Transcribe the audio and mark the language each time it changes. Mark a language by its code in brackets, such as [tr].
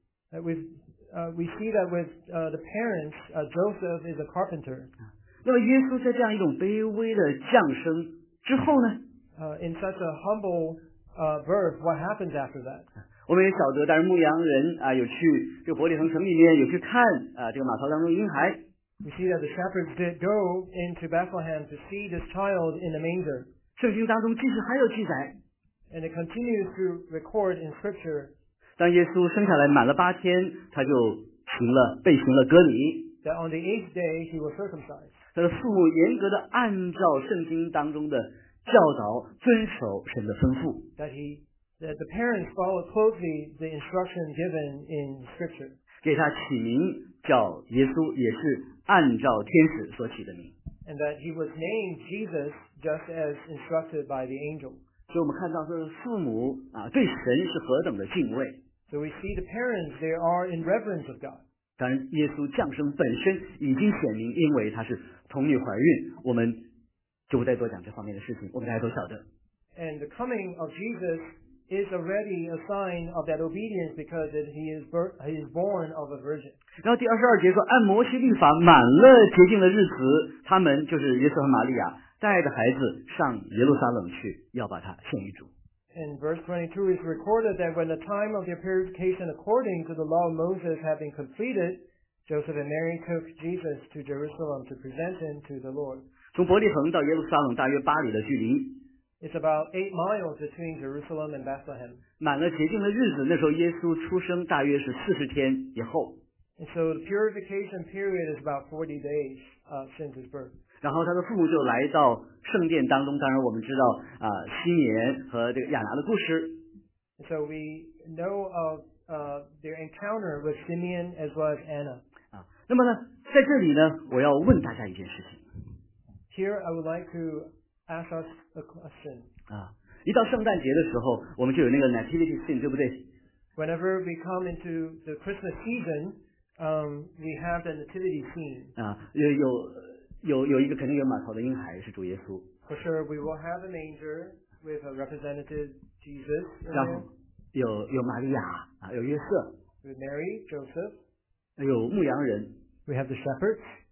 [en] That we see that with the parents, Joseph is a carpenter. [zh] 那么耶稣在这样一种卑微的降生之后呢？ [en] In such a humble birth, what happens after that? [zh] 我们也晓得，但是牧羊人啊，有去这个伯利恒城里面有去看啊，这个马槽当中婴孩。 [en] We see that the shepherds did go into Bethlehem to see this child in the manger. [zh] 圣经当中继续还有记载。 [en] And it continues to record in scripture. [zh] 当耶稣生下来满了八天，他就被行了割礼。 [en] That on the eighth day he was circumcised. [zh] 他的父母严格的按照圣经当中的教导遵守神的吩咐。 [en] That the parents followed closely the instruction given in scripture. [zh] 给他起名叫耶稣，也是按照天使所起的名。 [en] And that he was named Jesus just as instructed by the angel. [zh] 所以我们看到说父母啊对神是何等的敬畏。 [en] So we see the parents, they are in reverence of God. [zh] 当然耶稣降生本身已经显明，因为他是童女怀孕，我们就不再多讲这方面的事情，我们大家都晓得。 [en] And the coming of Jesus is already a sign of that obedience because he is born of a virgin. [zh] 然后第二十二节说，按摩西律法满了洁净的日子，他们就是耶稣和玛利亚带着孩子上耶路撒冷去，要把他献于主。 [en] And verse 22 is recorded that when the time of their purification according to the law of Moses had been completed, Joseph and Mary took Jesus to Jerusalem to present him to the Lord. [zh] 从伯利恒到耶路撒冷大约八里的距离。 [en] It's about 8 miles between Jerusalem and Bethlehem. [zh] 满了洁净的日子，那时候耶稣出生大约是40天以后。 [en] And so the purification period is about 40 days since his birth. [zh] 然后他的父母就来到圣殿当中，当然我们知道西缅和这个亚拿的故事。 [en] And so we know of their encounter with Simeon as well as Anna. [zh] 那么呢，在这里呢，我要问大家一件事情。 [en] Here I would like to ask us a question. [zh] 啊，一到圣诞节的时候，我们就有那个 Nativity scene， 对不对 [en] ？Whenever we come into the Christmas season, we have the Nativity scene. [zh] 啊，有一个肯定有马槽的婴孩是主耶稣。 [en] For sure, we will have a manger with a representative Jesus. [zh] 然后有玛利亚啊，有约瑟。 [en] With Mary, Joseph. [zh] 有牧羊人。 [en] We have the shepherds.